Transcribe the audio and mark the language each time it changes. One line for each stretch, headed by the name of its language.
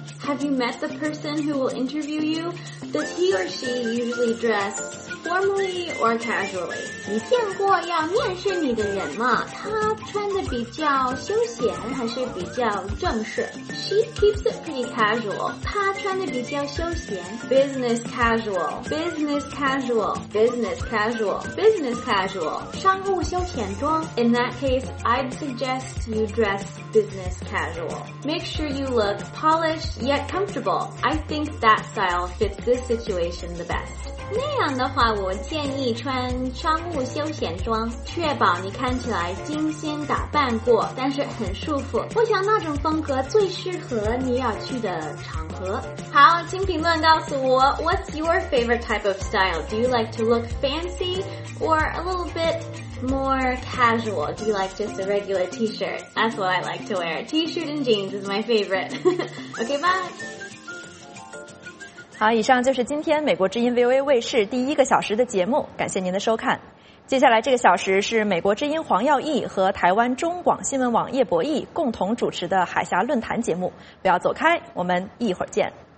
English: Have you met the person who will interview you? Does he or she usually dress formally or casually?
Chinese: 你见过要面试你的人吗？他穿得比较休闲还是比较正式
English: She keeps it pretty casual.
Chinese: 她穿得比较休闲
English: Business casual. Business casual. Business casual. Business casual.
Chinese: 商务休闲装
English: In that case, I'd suggest you dress business casual. Make sure you look polished yet comfortable. I think that style fits this situation the best.
Chinese: 那样的话我建议穿商务休闲装确保你看起来精心打扮过但是很舒服我想那种风格最适合你要去的场合好请评论告诉我
English: What's your favorite type of style? Do you like to look fancy or a little bit more casual? Do you like just a regular t-shirt? That's what I like to wear T-shirt and jeans is my favorite Okay, bye!
Chinese: 好，以上就是今天美国之音 VOA 卫视第一个小时的节目，感谢您的收看。接下来这个小时是美国之音黄耀毅和台湾中广新闻网叶博弈共同主持的海峡论坛节目，不要走开，我们一会儿见。